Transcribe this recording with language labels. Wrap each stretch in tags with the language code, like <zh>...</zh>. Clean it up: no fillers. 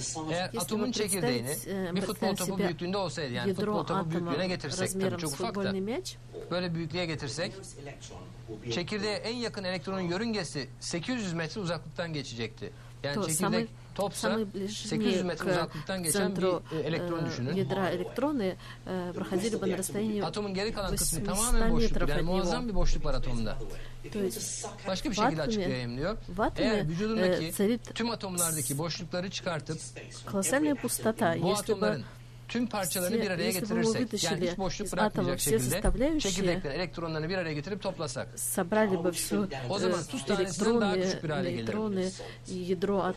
<tr>Eğer atomun çekirdeğini bir futbol topu büyüklüğünde olsaydı, yani futbol topu büyüklüğüne getirsek, tabii çok ufak da, böyle büyüklüğe getirsek, çekirdeğe en yakın elektronun yörüngesi 800 metre uzaklıktan geçecekti. Yani çekirdek topsa 800 metre uzaklıktan geçen bir elektron düşünün.</tr> <ru>Ядра электроны проходили бы на расстоянии.</ru> <tr>Атомun geri kalan kısmı tamamen boşluk. Yani muazzam bir boşluk var atomda. Başka bir şekilde açıklayamıyor. Eğer vücudundaki tüm atomlardaki boşlukları çıkartıp</tr> <ru>колоссальная пустота, если бы</ru> <tr>tüm parçalarını bir araya getirirsek, yani hiç boşluk bırakmayacak şekilde çekirdekler elektronlarını bir araya getirip toplasak, o zaman tuz tanesinden daha küçük bir hale gelir.</tr>